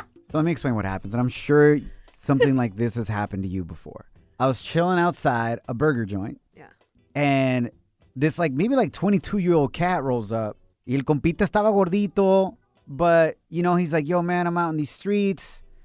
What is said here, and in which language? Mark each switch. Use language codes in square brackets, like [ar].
[en] So let me explain what happens. And I'm sure something like this has happened to you before. I was chilling outside a burger joint. Yeah. And this maybe 22-year-old cat rolls up. [es] Y el compita estaba gordito. [en] But, you know, he's like, yo, man, I'm out in these streets.